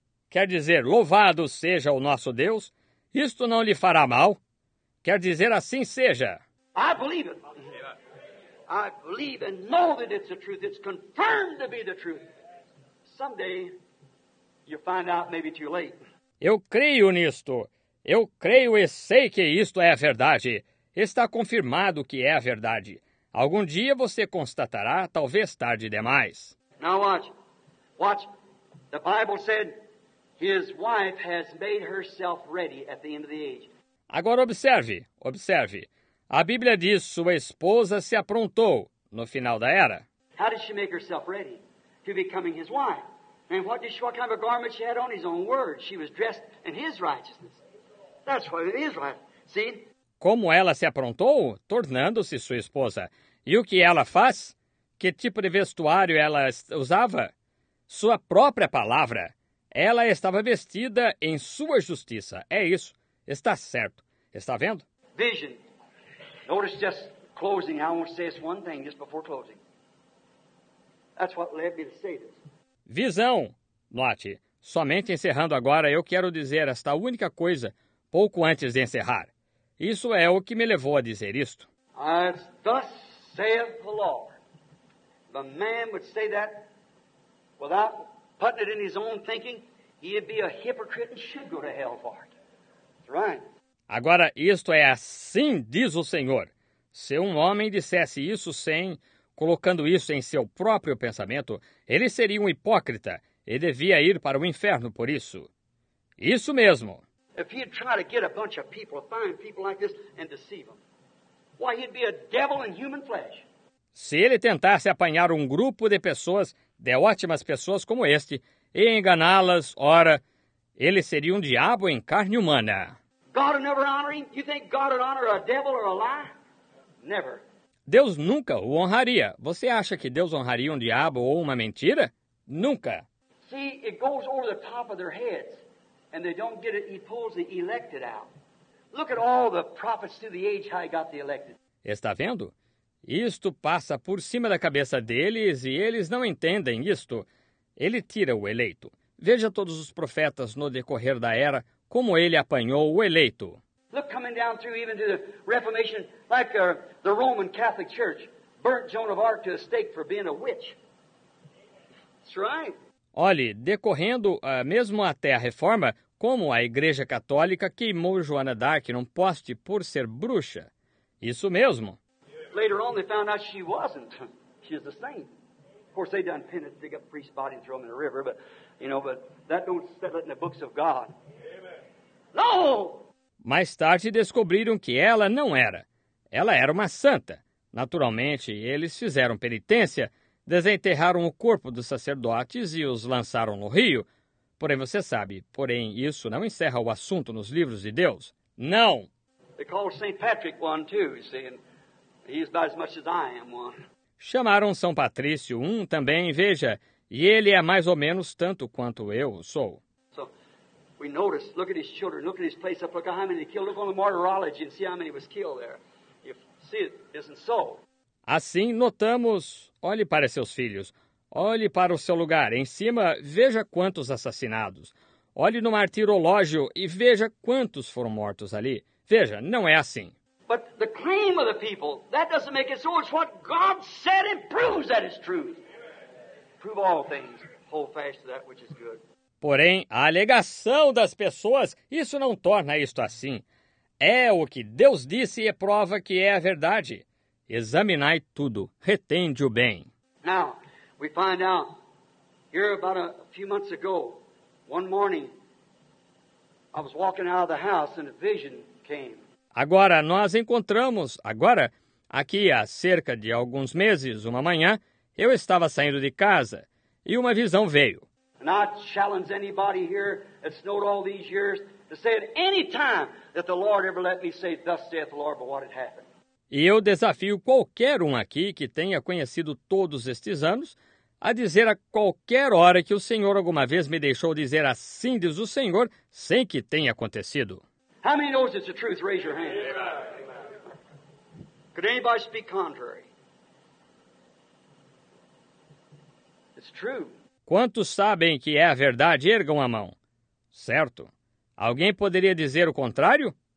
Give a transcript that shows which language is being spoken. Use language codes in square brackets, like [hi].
[pt] Quer dizer, louvado seja o nosso Deus, isto não lhe fará mal. Quer dizer, assim seja. [en] I believe it. I believe and know that it's the truth. It's confirmed to be the truth. Someday you find out maybe too late. [pt] Eu creio nisto. Eu creio e sei que isto é a verdade. Está confirmado que é a verdade. Algum dia você constatará, talvez tarde demais. [en] Now watch. The Bible said his wife has made herself ready at the end of the age. [pt] Agora observe. A Bíblia diz sua esposa se aprontou no final da era. [en] How did she make herself ready? to becoming his wife. And what did she, what kind of a garment she had on? His own word. She was dressed in his righteousness. That's what it is, right? See? [pt] Como ela se aprontou, tornando-se sua esposa. E o que ela faz? Que tipo de vestuário ela usava? Sua própria palavra. Ela estava vestida em sua justiça. É isso. Está certo. Está vendo? [en] Vision. Notice just closing. I want to say this one thing just before closing. That's what led me to say this. [pt] Visão. Note. Somente encerrando agora, eu quero dizer esta única coisa pouco antes de encerrar. Isso é o que me levou a dizer isto. [en] As thus saith the Lord. The man would say that without putting it in his own thinking, he'd be a hypocrite and should go to hell for it. That's right. [pt] Agora, isto é assim, diz o Senhor. Se um homem dissesse isso sem colocando isso em seu próprio pensamento, ele seria um hipócrita e devia ir para o inferno por isso. Isso mesmo. [en] If he'd try to get a bunch of people, find people like this and deceive them, why, he'd be a devil in human flesh. [pt] Se ele tentasse apanhar um grupo de pessoas, de ótimas pessoas como este, e enganá-las, ora, ele seria um diabo em carne humana. [en] God would never honor him? You think God would honor a devil or a lie? Never. [pt] Deus nunca o honraria. Você acha que Deus honraria um diabo ou uma mentira? Nunca. [en] See, it goes over the top of their heads. And they don't get it, he pulls the elected out. Look at all the prophets through the age, how he got the elected. [pt] Está vendo? Isto passa por cima da cabeça deles e eles não entendem isto. Ele tira o eleito. Veja todos os profetas no decorrer da era, como ele apanhou o eleito. [en] Look, coming down through even to the Reformation, like the Roman Catholic Church burnt Joan of Arc to a stake for being a witch. That's right. [pt] Olhe, decorrendo mesmo até a Reforma, como a Igreja Católica queimou Joana d'Arc num poste por ser bruxa. Isso mesmo. [en] Later on, they found out she wasn't. She's the same. Of course, they done penance, dig up priest's body and throw him in the river, but, you know, but that don't settle it in the books of God. Amen. No! [pt] Mais tarde, descobriram que ela não era. Ela era uma santa. Naturalmente, eles fizeram penitência, desenterraram o corpo dos sacerdotes e os lançaram no rio. Porém, você sabe, porém, isso não encerra o assunto nos livros de Deus. Não! [en] They call St. Patrick one too, you see, and he's about as much as I am one. [pt] Chamaram São Patrício um também, veja, e ele é mais ou menos tanto quanto eu sou. [en] So, we notice, look at his children, look at his place up, look at how many he killed, look on the martyrology and see how many was killed there. You see, it isn't so. [pt] Assim, notamos, olhe para seus filhos, olhe para o seu lugar, em cima, veja quantos assassinados. Olhe no martirológio e veja quantos foram mortos ali. Veja, não é assim. [en] But the claim of the people, that doesn't make it so. It's what God said and proves that is truth. Prove all things, hold fast to that which is good. [pt] Porém, a alegação das pessoas, isso não torna isto assim. É o que Deus disse e prova que é a verdade. Examinai tudo, retende o bem. [en] Now, we find out here about a few months ago, one morning, I was walking out of the house and a vision came. [pt] Agora, nós encontramos, agora, aqui há cerca de alguns meses, uma manhã, eu estava saindo de casa e uma visão veio. [en] And I challenge anybody here that's known all these years to say at any time that the Lord ever let me say, thus saith the Lord, but what had happened. [pt] E eu desafio qualquer um aqui que tenha conhecido todos estes anos a dizer a qualquer hora que o Senhor alguma vez me deixou dizer assim diz o Senhor sem que tenha acontecido. [en] How many knows it's the truth? Raise your hand. Amen. Could anybody speak contrary? It's true. [pt] Quantos sabem que é a verdade? Ergam a mão. Certo. Alguém poderia dizer o contrário?